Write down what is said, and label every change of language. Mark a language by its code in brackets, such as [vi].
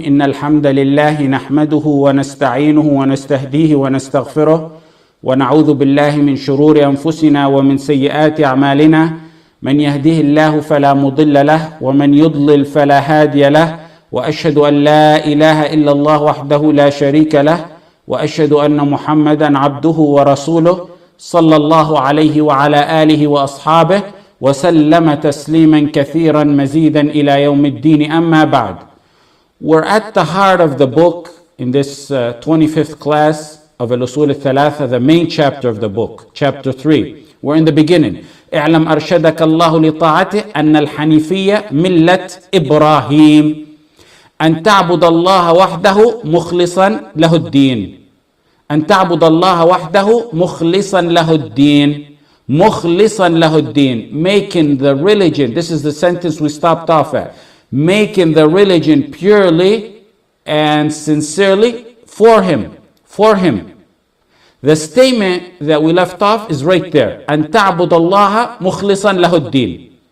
[ar] إن الحمد لله نحمده ونستعينه ونستهديه ونستغفره ونعوذ بالله من شرور أنفسنا ومن سيئات أعمالنا، من يهده الله فلا مضل له ومن يضلل فلا هادي له، وأشهد أن لا إله إلا الله وحده لا شريك له، وأشهد أن محمدا عبده ورسوله صلى الله عليه وعلى آله وأصحابه وسلم تسليما كثيرا مزيدا إلى يوم الدين. أما بعد، [en] we're at the heart of the book in this 25th class of الأصول الثلاثة, the main chapter of the book, chapter 3. We're in the beginning. [ar] اعلم أرشدك الله لطاعته أن الحنيفية ملة إبراهيم أن تعبد الله وحده مخلصا له الدين. أن تعبد الله وحده مخلصا له الدين. مُخْلِصًا لَهُ الدِّينِ. [en] Making the religion, this is the sentence we stopped off at, making the religion purely and sincerely for him, for him. The statement that we left off is right there. [ar] أَن تَعْبُدَ اللَّهَ مُخْلِصًا لَهُ الدِّينِ.